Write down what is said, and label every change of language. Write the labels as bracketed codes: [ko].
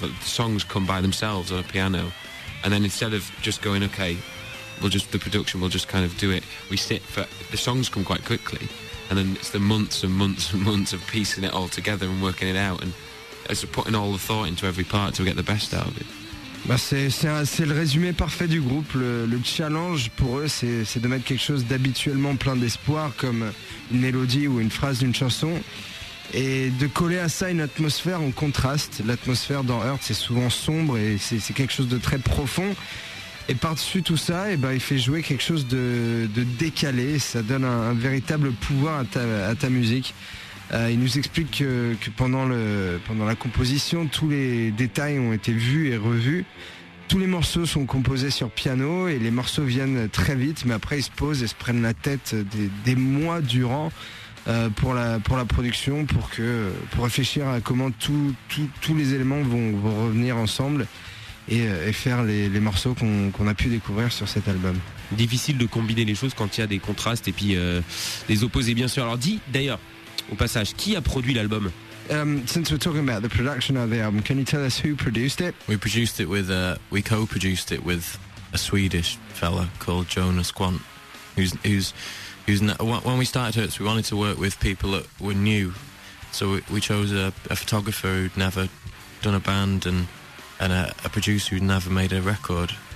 [en] Like the songs come by themselves on a piano. And then instead of just going, okay, we'll just kind of do it, we sit for, the songs come quite quickly, and then it's the months and months and months of piecing it all together and working it out, and it's putting all the thought into every part to get the best out of it. [fr] Bah c'est le résumé parfait du groupe. Le challenge pour eux, c'est de mettre quelque chose d'habituellement plein d'espoir, comme une mélodie ou une phrase d'une chanson, et de coller à ça une atmosphère en contraste. L'atmosphère dans Hertz c'est souvent sombre et c'est quelque chose de très profond, et par-dessus tout ça il fait jouer quelque chose de décalé. Ça donne un véritable pouvoir à ta musique. Il nous explique que pendant la composition, tous les détails ont été vus et revus. Tous les morceaux sont composés sur piano et les morceaux viennent très vite, mais après ils se posent et se prennent la tête des mois durant pour la production, pour réfléchir à comment tous les éléments vont revenir ensemble et faire les morceaux qu'on a pu découvrir sur cet album. Difficile de combiner les choses quand il y a des contrastes et puis les opposés, bien sûr. Alors dis d'ailleurs au passage, qui a produit l'album? [en] Since we're talking about the production of the album, can you tell us who produced it? We co-produced it with a Swedish fella called Jonas Quant, when we started Hertz, we wanted to work with people that were new, so we chose a photographer who'd never done a band and a producer who'd never made a record.